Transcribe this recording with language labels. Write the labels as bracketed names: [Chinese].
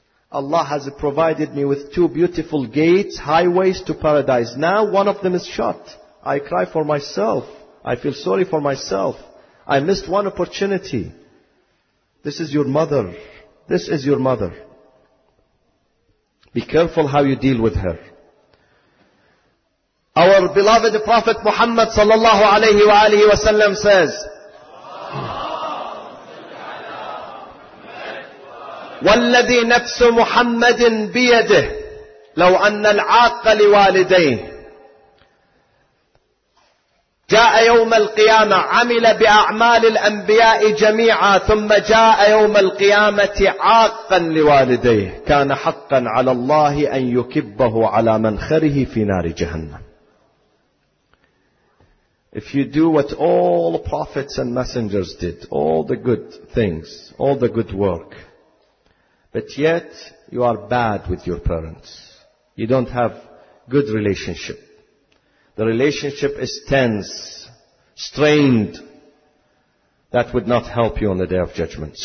[English] Allah has provided me with two beautiful gates, highways to paradise. Now one of them is shut. I cry for myself. I feel sorry for myself. I missed one opportunity. This is your mother. This is your mother. Be careful how you deal with her. Our beloved Prophet Muhammad sallallahu alayhi wa alihi wa sallam says, [Arabic] وَالَّذِي نَفْسُ مُحَمَّدٍ بِيَدِهِ لَوْ أَنَّ الْعَاقَ لِوَالِدَيْهِ جَاءَ يَوْمَ الْقِيَامَةِ عَمِلَ بِأَعْمَالِ الْأَنْبِيَاءِ جَمِيعًا ثُمَّ جَاءَ يَوْمَ الْقِيَامَةِ عَاقًا لِوَالِدَيْهِ كَانَ حَقًّا عَلَى اللَّهِ أَنْ يُكِبَّهُ عَلَى مَنْخَرِهِ فِي نَارِ جَهَنَّمَ. [English] If you do what all prophets and messengers did, all the good things, all the good work, but yet you are bad with your parents, you don't have good relationship, the relationship is tense, strained, that would not help you on the Day of Judgment.